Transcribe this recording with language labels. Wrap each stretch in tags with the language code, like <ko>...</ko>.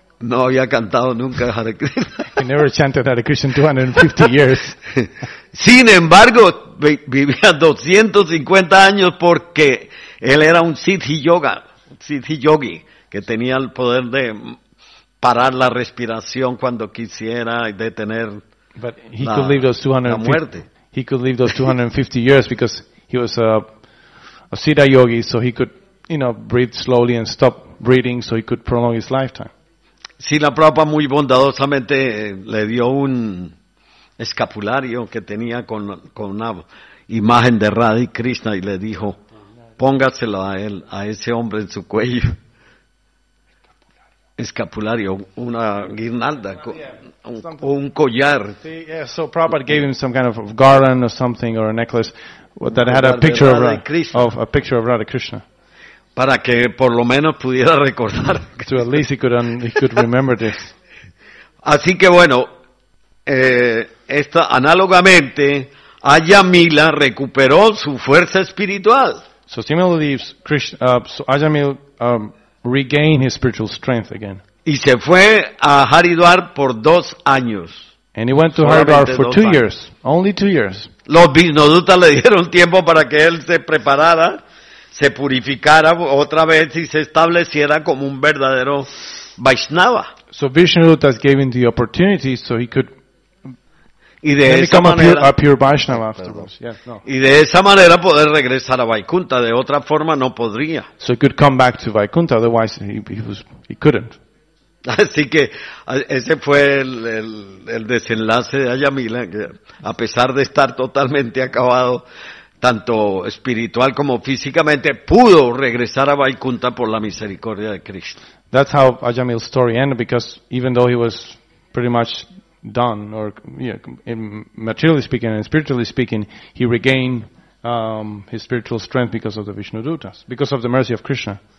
<es>No había cantado nunca Hare Krishna.</es> <en>He never chanted Hare Krishna 250 years.</en> <es>Sin embargo, vivía 250 años porque él era un Siddhi Yogi, que tenía el poder de parar la respiración cuando quisiera y detener la muerte.</es> <en>He could live those 250 years because he was a Siddha Yogi, so he could, you know, breathe slowly and stop breathing, so he could prolong his lifetime.</en> <es>Srila Prabhupada muy bondadosamente le dio un escapulario que tenía con una imagen de Radha y Krishna y le dijo, póngaselo a él, a ese hombre en su cuello. Escapulario, una guirnalda, un collar.</es> <en>Yeah, so Prabhupada gave him some kind of garland or something or a necklace that had a picture of Radha Krishna.</en> <es>Para que por lo menos pudiera recordar.</es> <en>So at least he could remember this.</en> <es>Así que bueno, esta análogamente, Ayamila recuperó su fuerza espiritual.</es> <en>So similarly, Ayamila regained his spiritual strength again.</en> <es>Y se fue a Haridwar por 2 años.</es> <en>And he went to Haridwar for 2 years. Only 2 years.</en> <es>Los Vishnodutas le dieron tiempo para que él se preparara, se purificara otra vez y se estableciera como un verdadero Vaishnava.</es> <en>So Vishnudutas gave him the opportunity so he could become a pure Vaishnava afterwards.</en> <es>Y de esa manera poder regresar a Vaikuntha, de otra forma no podría.</es> <en>So he could come back to Vaikuntha, otherwise he couldn't.</en> <es>Así que ese fue el desenlace de Ayamila, que a pesar de estar totalmente acabado tanto espiritual como físicamente, pudo regresar a Vaikuntha por la misericordia de Krishna.</es> <en>That's how Ayamila's story ended, because even though he was pretty much done, or materially speaking and spiritually speaking, he regained his spiritual strength because of the Vishnudutas, because of the mercy of Krishna.</en>